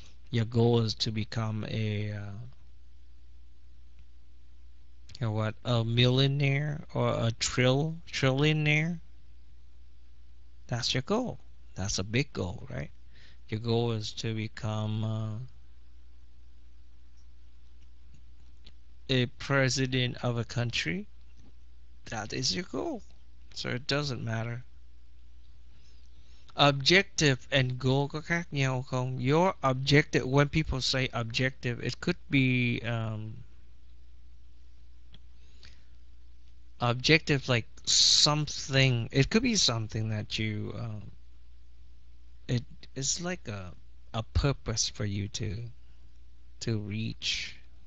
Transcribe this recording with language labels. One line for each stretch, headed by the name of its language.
English: Your goal is to become a you know what, a millionaire or a trillionaire? That's your goal. That's a big goal, right? Your goal is to become a president of a country. That is your goal. So it doesn't matter.
Vietnamese: Objective and goal có khác nhau không?
English: Your objective, when people say objective, it could be objective, like something. It could be something that you it's like a purpose for you to reach.